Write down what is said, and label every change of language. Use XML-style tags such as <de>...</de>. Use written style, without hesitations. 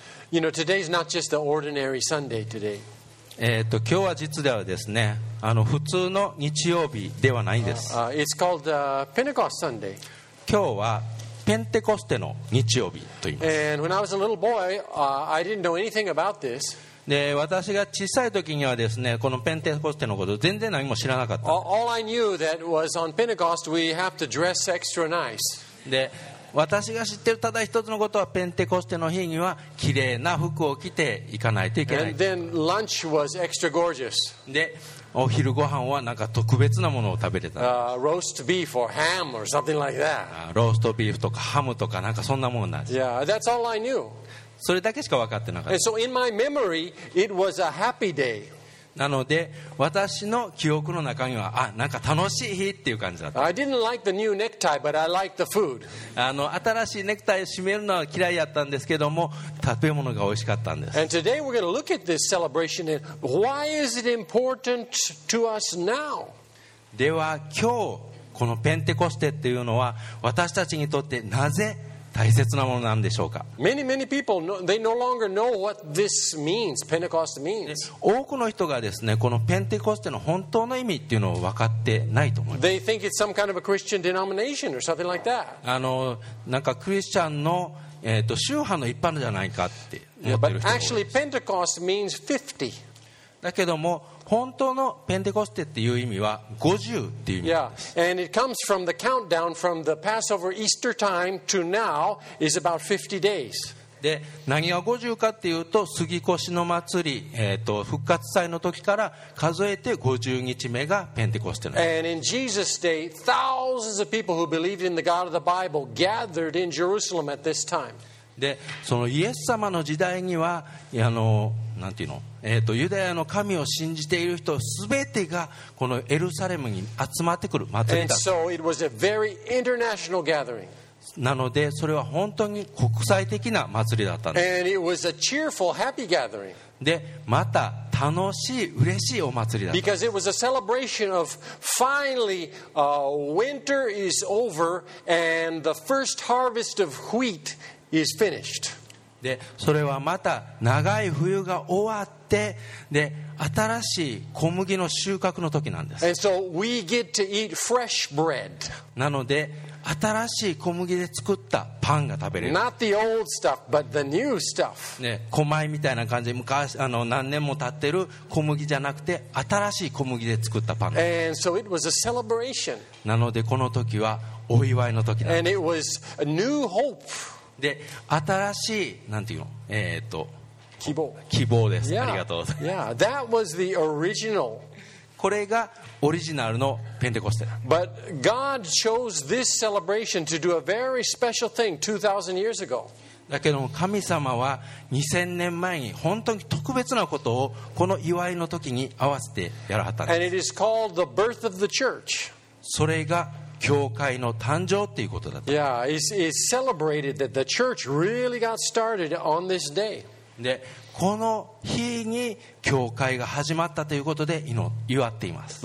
<en>You know, today's not just an ordinary Sunday today.</en> <ja>今日は実ではですね、普通の日曜日ではないんです。</ja> <en>It's called Pentecost Sunday.</en> <ja>今日はペンテコステの日曜日と言います。</ja> <en>And when I was a little boy, I didn't know anything about this.</en> <ja>で私が小さい時にはですね、このペンテコステのこと全然何も知らなかった。</ja> <en>All I knew that was on Pentecost we have to dress extra nice.</en> <ja>で私が知ってるただ一つのことはペンテコステの日には綺麗な服を着ていかないといけない。</ja> <en>And then lunch was extra gorgeous.</en> <ja>でお昼ご飯はなんか特別なものを食べれた。</ja> <en>Roast beef or ham or something like that.</en> <ja>ローストビーフとかハムとかなんかそんなものなんです。</ja> <en>Yeah, that's all I knew.</en> <ja>それだけしか分かってなかった。</ja> <en>So in my memory, it was a happy day.</en> <ja>なので私の記憶の中にはあなんか楽しい日っていう感じだった。</ja> <en>I didn't like the new necktie, but I liked the food.</en> <ja>新しいネクタイを締めるのは嫌いやったんですけども食べ物が美味しかったんです。</ja> <en>And today we're going to look at this celebration and why is it important to us now?</en> <ja>では今日このペンテコステっていうのは私たちにとってなぜ大切なものなんでしょうか。</ja> <en>Many people, they no longer know what this means, Pentecost means.</en> <ja>多くの人がですね、このペンテコステの本当の意味っていうのを分かってないと思います。</ja> <en>They think it's some kind of a Christian denomination or something like that.</en> <ja>なんかクリスチャンの、宗派の一般じゃないかって思ってる人も多いです。</ja> <en>But actually, Pentecost means 50.</en> <ja>だけども本当のペンテコステっていう意味は50っていう意味です。</ja> <en>Yeah, and it comes from the countdown from the Passover Easter time to now is about 50 days.</en> <ja>で、何が50かっていうと、杉越の祭り、復活祭の時から数えて50日目がペンテコステなんです。</ja> <en>And in Jesus' day, thousands of people who believed in the God of the Bible gathered in Jerusalem at this time.</en> <ja>で、そのイエス様の時代には、なんていうの、ユダヤの神を信じている人すべてがこのエルサレムに集まってくる祭りだった。</ja> <en>And so it was a very international gathering.</en> <ja>なのでそれは本当に国際的な祭りだったんです。</ja> <en>And it was a cheerful, happy gathering.</en> <ja>でまた楽しい嬉しいお祭りだったんです。</ja> <en>Because it was a celebration of finally winter is over and the first harvest of wheat is finished.</en> <ja>でそれはまた長い冬が終わってで新しい小麦の収穫の時なんです。</ja> <en>And so we get to eat fresh bread.</en> <ja>なので新しい小麦で作ったパンが食べれる。</ja> <en>Not the old stuff, but the new stuff.</en> <ja>ね、小麦みたいな感じで昔何年も経ってる小麦じゃなくて新しい小麦で作ったパン。</ja> <en>And so it was a celebration.</en> <ja>なのでこの時はお祝いの時なんです。</ja> <en>And it was a new hope.</en> <ja>で新しいなんていうの、希望、希望です。Yeah. ありがとうございます。</ja> <en>Yeah. That was the original.</en> <ja>これがオリジナルのペンテコステ。</ja> <en>But God chose this celebration to do a very special thing 2000 years ago.</en> <ja>だけども神様は2000年前に本当に特別なことをこの祝いの時に合わせてやらはったんです。</ja> <en>And it is called the birth of the church.</en> <ja>それが教会の誕生っていうことだった。</ja> <en>Yeah, it's celebrated that the church really got started on this day.</en> <ja>で、この日に教会が始まったということで祝っています。</ja>